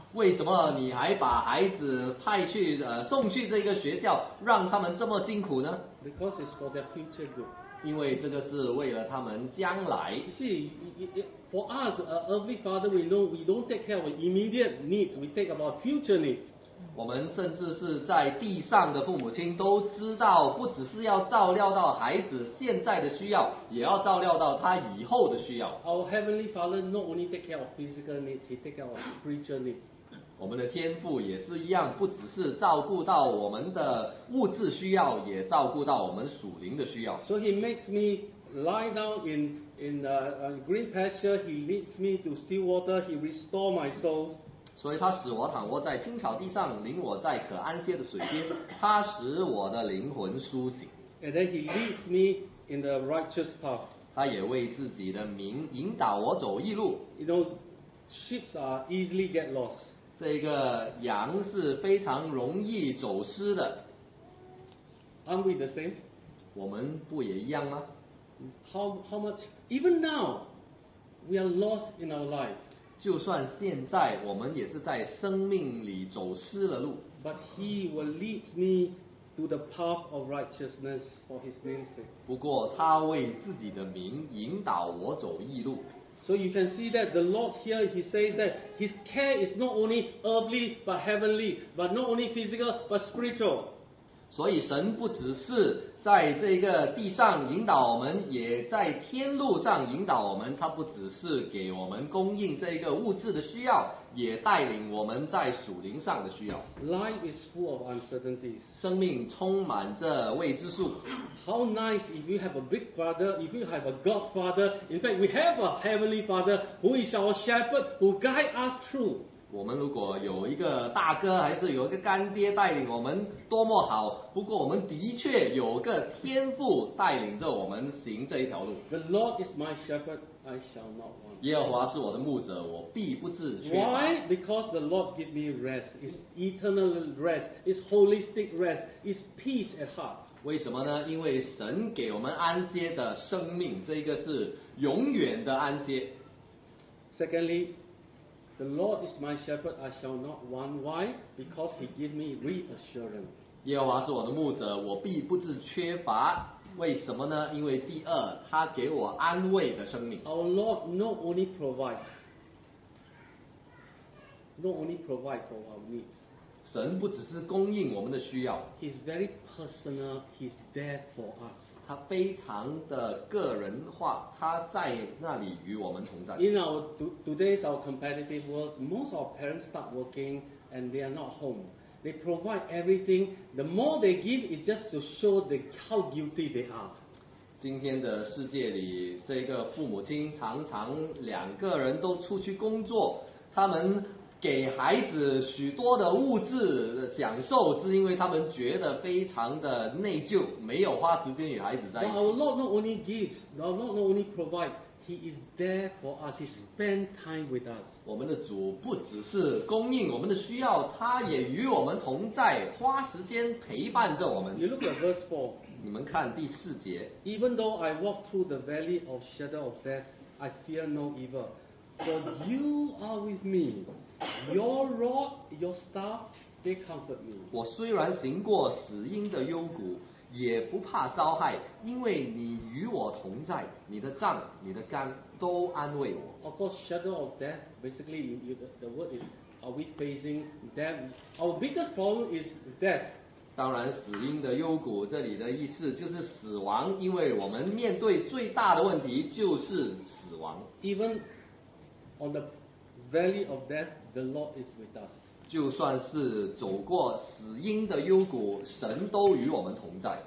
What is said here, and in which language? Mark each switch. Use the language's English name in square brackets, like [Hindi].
[Chinese] 为什么你还把孩子派去送去这个学校，让他们这么辛苦呢 [English] ？Because it's for their future good. [Chinese] 因为这个是为了他们将来。 [English] You see, for us, earthly father, we know we don't take care of immediate needs. We take about future needs. [Chinese] 我们甚至是在地上的父母亲都知道，不只是要照料到孩子现在的需要，也要照料到他以后的需要。 [English] Our heavenly father not only take care of physical needs, he take care of spiritual needs. [Chinese] 我们的天父也是一样，不只是照顾到我们的物质需要，也照顾到我们属灵的需要。 [English] So he makes me lie down in the green pasture. He leads me to still water. He restores my soul. [Chinese] 所以他使我躺卧在青草地上，领我在可安歇的水边。他使我的灵魂苏醒。 [English] And then he leads me in the righteous path. [Chinese] 他也为自己的名引导我走义路。 [English] You know, sheep are easily get lost. [Chinese] 这个羊是非常容易走失的。 [English] Aren't we the same? [Chinese] 我们不也一样吗 [English] ？How much? Even now, we are lost in our life. [Chinese] 就算现在，我们也是在生命里走失了路。 [English] But he will lead me to the path of righteousness for his name's sake. [Chinese] 不过他为自己的名引导我走义路。 [English] So you can see that the Lord here, he says that his care is not only earthly but heavenly, but not only physical but spiritual. [Chinese] 所以神不只是在这个地上引导我们，也在天路上引导我们。他不只是给我们供应这个物质的需要，也带领我们在属灵上的需要。 [English] Life is full of uncertainties. [Chinese] 生命充满着未知数。 [English] How nice if you have a big father, if you have a godfather. In fact, we have a heavenly father who is our shepherd who guide us through. [Chinese] 我们如果有一个大哥还是有一个干爹带领我们多么好，不过我们的确有个天父带领着我们行这一条路。 [English] The Lord is my shepherd, I shall not want. [Chinese] 耶和华是我的牧者，我必不致缺乏。 [English] Why? Because the Lord give me rest. It's eternal rest. It's holistic rest. It's peace at heart. [Chinese] 为什么呢？因为神给我们安歇的生命，这个是永远的安歇。 [English] Secondly,The Lord is my shepherd, I shall not want. Why? Because he gives me reassurance. [Chinese] 耶和华是我的牧者，我必不致缺乏。为什么呢？因为第二，他给我安慰的生命。 [English] Our Lord not only provide for our needs. [Chinese] 神不只是供应我们的需要。 [English] He's very personal, he's there for us. [Chinese] 他非常的个人化，他在那里与我们同在。 [English] In our today's our competitive world, most of our parents start working and they are not home. They provide everything. The more they give is just to show how guilty they are. [Chinese] 今天的世界里，这个父母亲常常两个人都出去工作，他们给孩子许多的物质的享受，是因为他们觉得非常的内疚，没有花时间与孩子在一起。 [English] Our Lord not only gives, our Lord not only provides, He is there for us. He spends time with us. [Chinese] 我们的主不只是供应我们的需要，他也与我们同在，花时间陪伴着我们。 [English] You look at verse four. [Chinese] 你们看第四节。 [English] Even though I walk through the valley of shadow of death, I fear no evil, for you are with me. Your rod, your staff, they comfort me. [Chinese] 我虽然行过死荫的幽谷，也不怕遭害，因为你与我同在，你的杖、你的竿都安慰我。 [English] Of course, shadow of death. Basically, the word is, are we facing death? Our biggest problem is death. [Chinese] 当然，死荫的幽谷这里的意思就是死亡，因为我们面对最大的问题就是死亡。 [English] Even on the valley of death. The Lord is with us. [Chinese] 就算是走过死荫的幽谷，神都与我们同在。